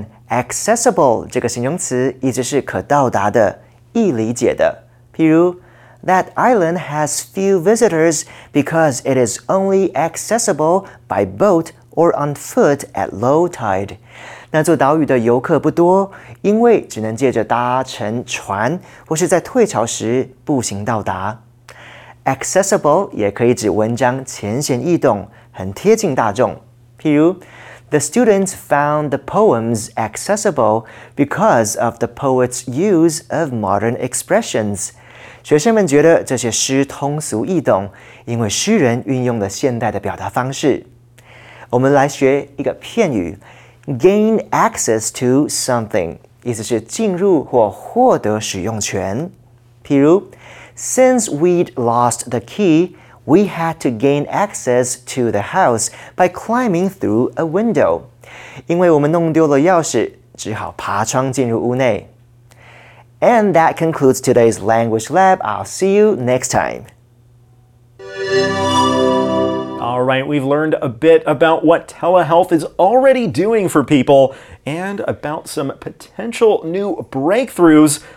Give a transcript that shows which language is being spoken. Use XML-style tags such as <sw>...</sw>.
<zh>Accessible 这个形容词意思是可到达的、易理解的。</zh> <en>譬如 ，That island has few visitors because it is only accessible by boat or on foot at low tide。</en> <zh>那座岛屿的游客不多，因为只能借着搭乘船或是在退潮时步行到达。 Accessible 也可以指文章浅显易懂，很贴近大众。譬如。</zh> <en>The students found the poems accessible because of the poet's use of modern expressions.</en> <zh>学生们觉得这些诗通俗易懂，因为诗人运用了现代的表达方式。我们来学一个片语 ,gain access to something, 意思是进入或获得使用权。</zh> <en>譬如 ,since we'd lost the key,We had to gain access to the house by climbing through a window.</en> <zh>因为我们弄丢了钥匙，只好爬窗进入屋内。</zh> <en>And that concludes today's Language Lab. I'll see you next time. All right, we've learned a bit about what telehealth is already doing for people and about some potential new breakthroughs.</en>